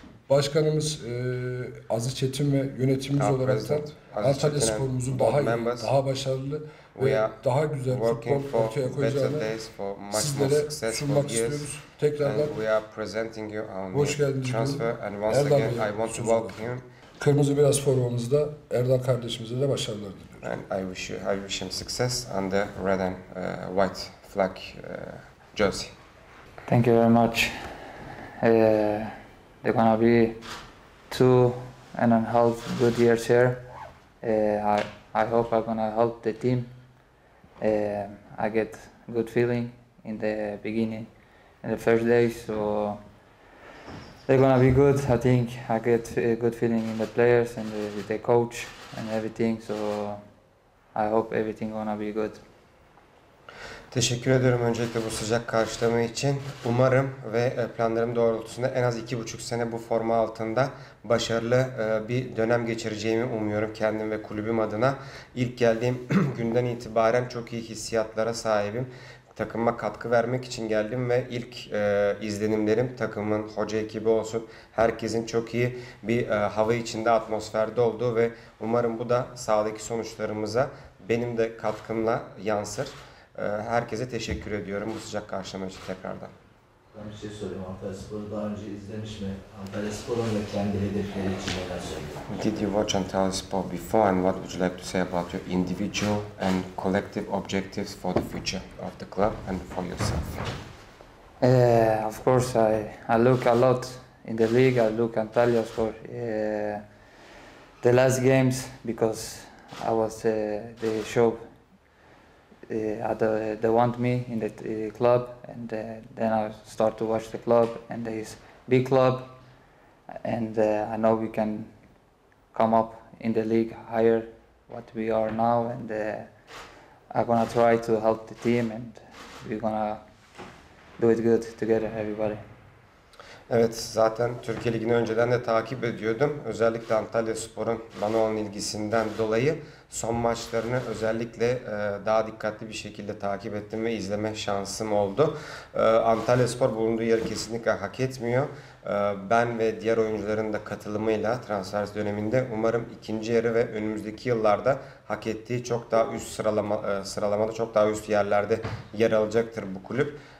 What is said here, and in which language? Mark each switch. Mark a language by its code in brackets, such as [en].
[tr] Başkanımız Aziz Çetin ve yönetimimiz olarak da Antalya Spor'umuzu daha iyi, daha başarılı ve daha güzel futbol ortaya koyacağını sizlere sunmak istiyoruz. Tekrardan hoş geldiniz. Erdan Bey'e sözü alalım. Kırmızı beyaz formamızda Erdal kardeşimize de başarılar diliyorum. [en] And I wish him success on the red and white flag jersey. Thank you very much. They're gonna be 2.5 good years here. I hope I'm gonna help the team. I get good feeling in the beginning, in the first day, so they're gonna be good. I think I get a good feeling in the players and the coach and everything. So I hope everything gonna be good. [tr] Teşekkür ediyorum öncelikle bu sıcak karşılama için. Umarım ve planlarım doğrultusunda en az 2,5 sene bu forma altında başarılı bir dönem geçireceğimi umuyorum kendim ve kulübüm adına. İlk geldiğim günden itibaren çok iyi hissiyatlara sahibim. Takıma katkı vermek için geldim ve ilk izlenimlerim takımın, hoca ekibi olsun, herkesin çok iyi bir hava içinde, atmosferde olduğu ve umarım bu da sahadaki sonuçlarımıza benim de katkımla yansır. Herkese teşekkür ediyorum bu sıcak karşılama için tekrardan. Ben bir şey sorayım. Antalya Spor'u daha önce izlemiş mi? Antalya Spor'un da kendi hedefleri için neler söylüyor? [en] Did you watch Antalya Spor before and what would you like to say about your individual and collective objectives for the future of the club and for yourself? Of course I look a lot in the league. I look Antalya Spor the last games because I was the show. They want me in the club, and then I start to watch the club, and there is big club, and I know we can come up in the league higher what we are now, and I'm gonna try to help the team, and we're gonna do it good together, everybody. [tr] Evet, zaten Türkiye Ligi'ni önceden de takip ediyordum. Özellikle Antalya Spor'un bana olan ilgisinden dolayı son maçlarını özellikle daha dikkatli bir şekilde takip ettim ve izleme şansım oldu. Antalya Spor bulunduğu yeri kesinlikle hak etmiyor. Ben ve diğer oyuncuların da katılımıyla transfer döneminde umarım ikinci yarı ve önümüzdeki yıllarda hak ettiği çok daha üst sıralamada, çok daha üst yerlerde yer alacaktır bu kulüp.